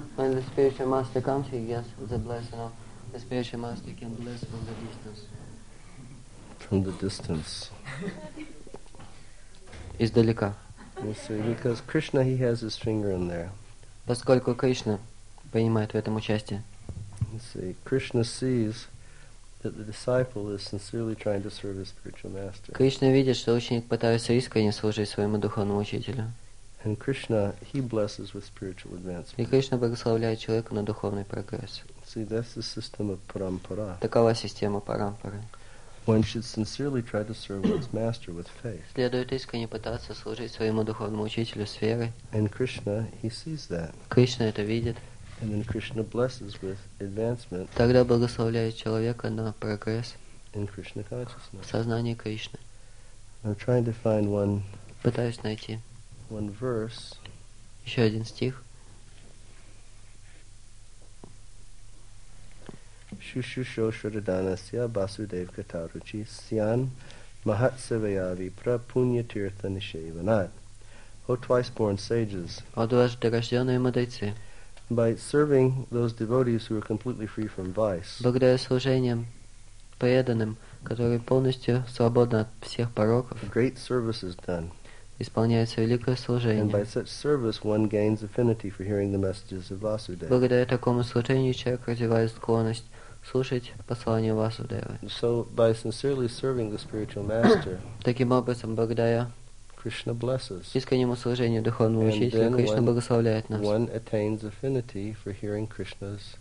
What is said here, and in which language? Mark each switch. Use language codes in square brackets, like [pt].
[en] When the spiritual master comes, he gets the blessing of the spiritual master can bless from the distance. From the distance. [ru] Издалека. [en] You see, because Krishna, he has his finger in there. [ru] Поскольку Кришна принимает в этом участие. [en] You see, Krishna sees that the disciple is sincerely trying to serve his spiritual master. [ru] Кришна видит, что ученик пытается искренне служить своему духовному учителю. [en] And Krishna, he blesses with spiritual advancement. [ru] И Кришна благословляет человека на духовный прогресс. [en] See, that's the system of parampara. [ru] Такова система парампары. [en] One should sincerely try to serve one's master with faith. [ru] Следует искренне пытаться служить своему духовному учителю с верой. [en] And Krishna, he sees that. [ru] Кришна это видит. [en] And then Krishna blesses with advancement. [ru] Тогда благословляет человека на прогресс. [en] In Krishna consciousness. [ru] В сознании Кришны. [en] I'm trying to find one. [ru] Пытаюсь найти. [en] One verse. [ru] Еще один стих. [sa] Шушушо шрадданасья басудев катаручи сян махатсавяви прапунья тиртха нишеванат. [en] O twice born sages. [ru] О дважды рожденные мудрецы. [en] By serving those devotees who are completely free from vice. [ru] Благодаря служениям преданным, которые полностью свободны от всех пороков. [en] Great service is done. [ru] Исполняется великое служение. [en] And by such service one gains affinity for hearing the messages of Vasudeva. [ru] Благодаря такому служению человек развивает склонность слушать послания Васудевы. [en] So by sincerely serving the spiritual master, [ru] таким образом, благодаря [en] Krishna blesses. [ru] Искреннему служению духовному учителю Кришна благословляет нас. [en] One attains affinity for hearing Krishna's messages.